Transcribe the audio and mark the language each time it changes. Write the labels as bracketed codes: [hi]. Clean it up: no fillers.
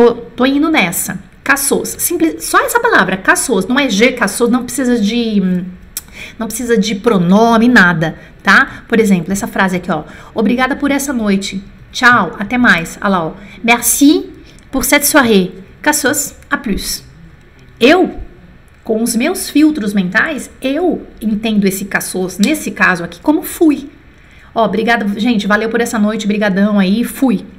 [pt] Tô indo nessa. Cassos. Simples, só essa palavra, cassos. Não é je cassos, não precisa de. Não precisa de pronome, nada, tá? Por exemplo, essa frase aqui, ó. Obrigada por essa noite. Tchau, até mais. Olha lá, ó. [fr] Merci pour cette soirée. Cassos, à plus. [pt] Eu, com os meus filtros mentais, eu entendo esse cassos, nesse caso aqui, como fui. Ó, obrigada, gente, valeu por essa noite, brigadão aí, fui.